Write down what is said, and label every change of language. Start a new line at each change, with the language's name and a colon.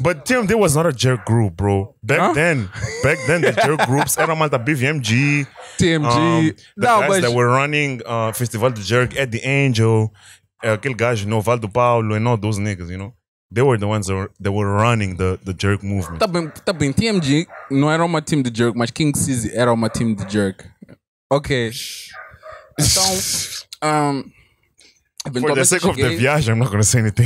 English: But TMD was not a jerk group, bro. Back then the jerk groups
Portuguese: era malta
English: BVMG. TMG. That were running Festival de Jerk, Eddie Angel,
Portuguese: aquele gajo,
English: you know, Valdo Paulo, and all those niggas, you know. They were the ones that were running the jerk movement.
Portuguese: Tá bem. TMG não era uma team de jerk, mas King Sizzy era uma team de jerk. Ok. Então,
English: for the sake of the
Portuguese: viagem,
English: I'm not going to say anything.